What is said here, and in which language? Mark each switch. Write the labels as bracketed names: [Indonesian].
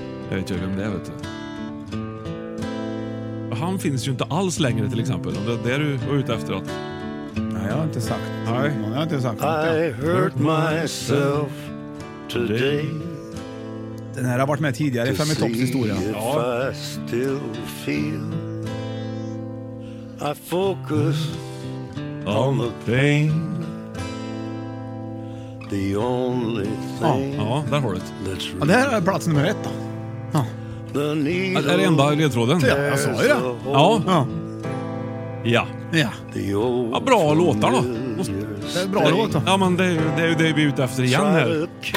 [Swedish] Jag vet ju vem det är, vet du. Han finns ju inte alls längre till exempel. Det är du ute efter att... Nej, jag har inte sagt. Nej, jag har inte sagt. [English] I hurt myself today. [Swedish] Den här har varit med tidigare i Femme Topps historia. Ja. [English] I still feel I focus on the pain. The only thing. [Swedish] Ja, där har du det. Ja, det här är plats nummer ett då. Ja. Är det enda ledtråden? Ja, jag sa ju det. Ja. Ja. Ja. Ja. Ja, bra låtar då. Det är bra låtar. Ja, men det är ju det vi är ute efter igen här.